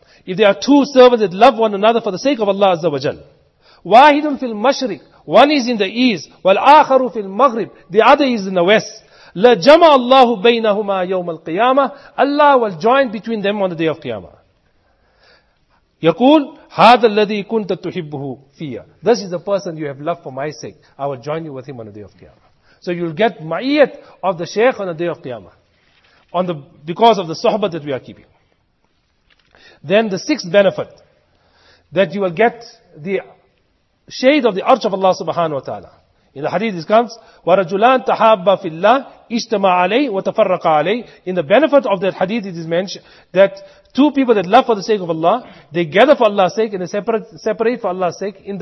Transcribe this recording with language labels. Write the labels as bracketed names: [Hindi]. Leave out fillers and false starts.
[English] If there are two servants that love one another for the sake of Allah Azza wa Jal. [Arabic] وَاحِدٌ فِي الْمَشْرِقِ. [English] One is in the east. [Arabic] وَالْآخَرُ فِي الْمَغْرِبِ. [English] The other is in the west. [Arabic] لَجَمَعَ اللَّهُ بَيْنَهُمَا يَوْمَ الْقِيَامَةِ. [English] Allah will join between them on the day of Qiyamah. [Arabic] يقول هذا الذي كنت تحبه فيا. [English] This is the person you have loved for my sake. I will join you with him on the day of Qiyamah. So you'll get ma'iyat of the Shaykh on the day of Qiyamah. Because of the sohbat that we are keeping. Then the sixth benefit, that you will get the shade of the arch of Allah subhanahu wa ta'ala. In the hadith this comes, [Arabic] وَرَجُلَانْ تَحَابَّ فِي اللَّهِ اِجْتَمَعَ عَلَيْهِ وَتَفَرَّقَ عَلَيْهِ. [English] In the benefit of that hadith it is mentioned that two people that love for the sake of Allah, they gather for Allah's sake and they separate for Allah's sake.